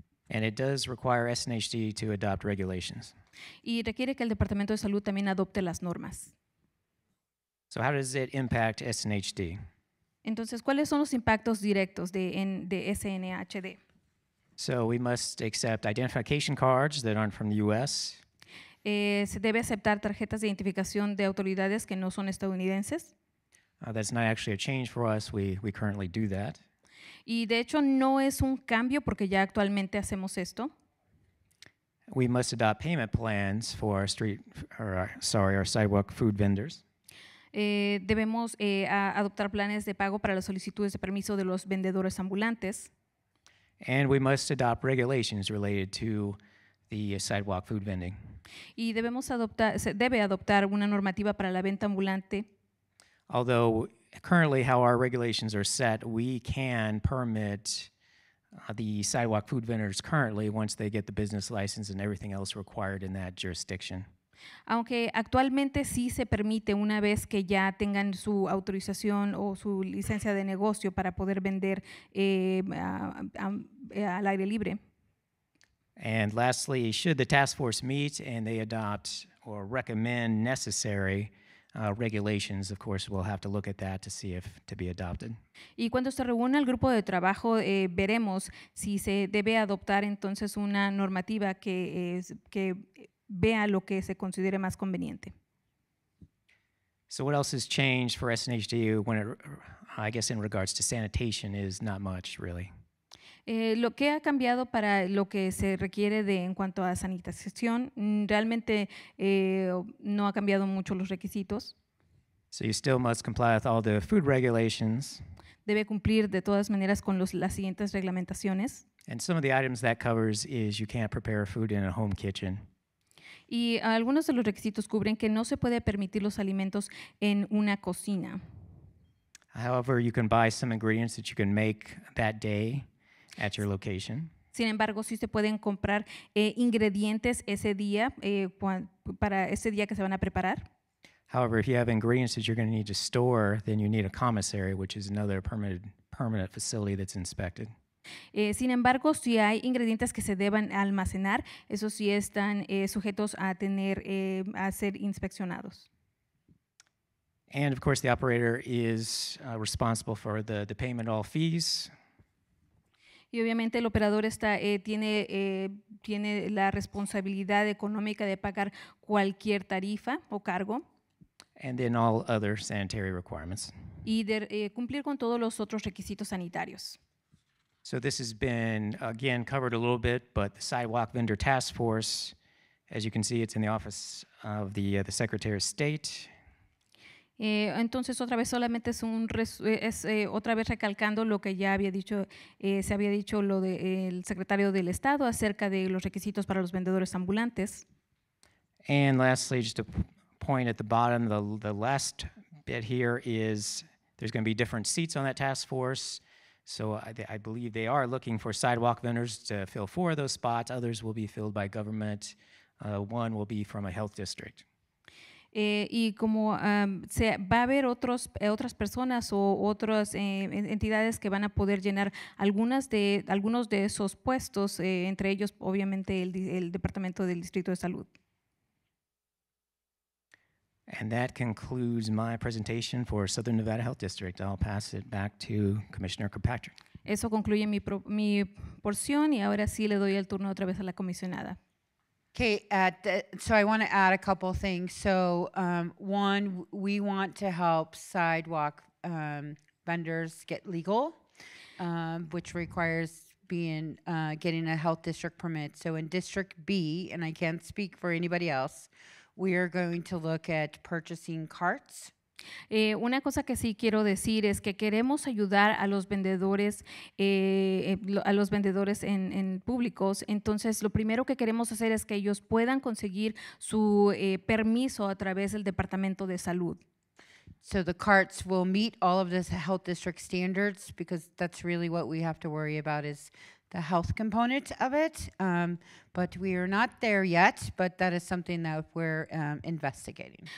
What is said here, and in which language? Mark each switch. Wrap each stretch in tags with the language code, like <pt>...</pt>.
<en>And it does require SNHD to adopt regulations.</en> <es>Y requiere que el Departamento de Salud también adopte las normas.</es> <en>So how does it impact SNHD?</en> <es>Entonces, ¿cuáles son los impactos directos de SNHD?</es> <en>So we must accept identification cards that aren't from the U.S.</en> <es>Se debe aceptar tarjetas de identificación de autoridades que no son estadounidenses.</es> <en>That's not actually a change for us. We currently do that.</en> <es>Y de hecho no es un cambio porque ya actualmente hacemos esto.</es> <en>We must adopt payment plans for our street, or our, sorry, our sidewalk food vendors.</en> <es>Debemos adoptar planes de pago para las solicitudes de permiso de los vendedores ambulantes.</es> <en>And we must adopt regulations related to the sidewalk food vending.</en> <es>Y debemos adoptar, se debe adoptar una normativa para la venta ambulante.</es> <en>Although currently, how our regulations are set, we can permit the sidewalk food vendors currently once they get the business license and everything else required in that jurisdiction.</en> <es>Aunque actualmente sí se permite una vez que ya tengan su autorización o su licencia de negocio para poder vender al aire libre.</es> <en>And lastly, should the task force meet and they adopt or recommend necessary regulations, of course, we'll have to look at that to see if to be adopted.</en> <es>Y cuando se reúna el grupo de trabajo, veremos si se debe adoptar entonces una normativa que vea lo que se considere más conveniente.</es> <en>So what else has changed for SNHD when it, I guess in regards to sanitation is not much really.</en> <es>Lo que ha cambiado para lo que se requiere de en cuanto a sanitización, realmente no ha cambiado mucho los requisitos.</es> <en>So you still must comply with all the food regulations.</en> <es>Debe cumplir de todas maneras con las siguientes reglamentaciones.</es> <en>And some of the items that covers is you can't prepare food in a home kitchen.</en> <es>Y algunos de los requisitos cubren que no se puede permitir los alimentos en una cocina.</es> <en>However, you can buy some ingredients that you can make that day at your location.</en> <es>Sin embargo, sí se pueden comprar ingredientes ese día para ese día que se van a preparar.</es> <en>However, if you have ingredients that you're going to need to store, then you need a commissary, which is another permanent facility that's inspected.</en> <es>Sin embargo, si hay ingredientes que se deban almacenar, eso sí están sujetos a ser inspeccionados.</es> <en>And of course, the operator is responsible for the payment of all fees.</en> <es>Y obviamente el operador está tiene la responsabilidad económica de pagar cualquier tarifa o cargo.</es> <en>And then all other sanitary requirements.</en> <es>Y de cumplir con todos los otros requisitos sanitarios.</es> <en>So this has been again covered a little bit, but the Sidewalk Vendor Task Force, as you can see, it's in the office of the Secretary of State.</en> <es>Entonces otra vez solamente es un otra vez recalcando lo que ya había dicho se había dicho lo de el secretario del Estado acerca de los requisitos para los vendedores ambulantes.</es> <en>And lastly, just a point at the bottom, the last bit here is there's going to be different seats on that task force. So I believe they are looking for sidewalk vendors to fill four of those spots. Others will be filled by government. One will be from a health district.</en> <es>Y como va a haber otras personas o otras entidades que van a poder llenar algunos de esos puestos, entre ellos, obviamente, el Departamento del Distrito de Salud.</es> <en>And that concludes my presentation for Southern Nevada Health District. I'll pass it back to Commissioner Kirkpatrick.</en> <es>Eso concluye mi porción y ahora sí le doy el turno otra vez a la comisionada.</es> <en>Okay, so I want to add a couple things. So one, we want to help sidewalk vendors get legal, which requires getting a health district permit. So in District B, and I can't speak for anybody else, we are going to look at purchasing carts.</en> <es>Una cosa que sí quiero decir es que queremos ayudar a los vendedores en públicos. Entonces, lo primero que queremos hacer es que ellos puedan conseguir su permiso a través del Departamento de Salud.</es> <en>So the carts will meet all of the health district standards because that's really what we have to worry about is the health component of it. But we are not there yet, but that is something that we're investigating.</en>